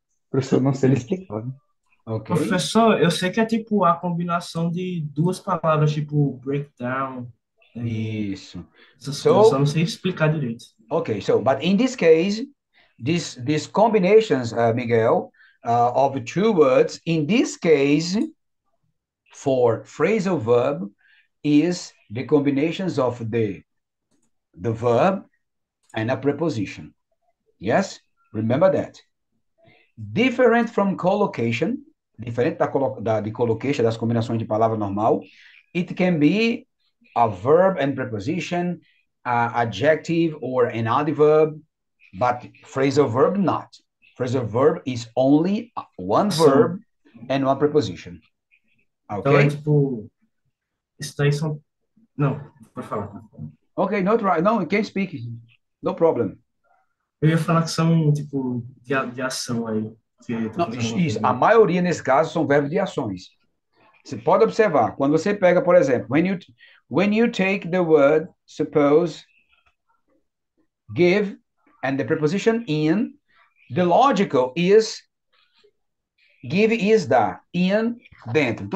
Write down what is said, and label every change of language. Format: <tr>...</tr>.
<pt>Professor, não sei lhe explicar.</pt> <en>Okay.</en> <pt>Professor, eu sei que é tipo a combinação de duas palavras, tipo breakdown. Isso. Essas coisas, só não sei explicar direito.</pt> <en>Okay, so, but in this case, these combinations, Miguel, of two words, in this case, for phrasal verb, is the combinations of the verb and a preposition. Yes? Remember that. Different from collocation,</en> <pt>diferente de collocation, das combinações de palavra normal,</pt> <en>it can be a verb and preposition, a adjective or an adverb, but phrasal verb not. Phrasal verb is only one verb and one preposition. Okay?</en> <pt>Então, é tipo, isso daí são... Não, pode falar.</pt> <en>Okay, not right. No, you can't speak. No problem.</en> <pt>Eu ia falar que são, tipo, de ação aí. A maioria, nesse caso, são verbos de ações. Você pode observar. Quando você pega, por exemplo,</pt> <en>when you take the word, suppose, give, and the preposition in, the logical is give is dar, in, dentro.</en>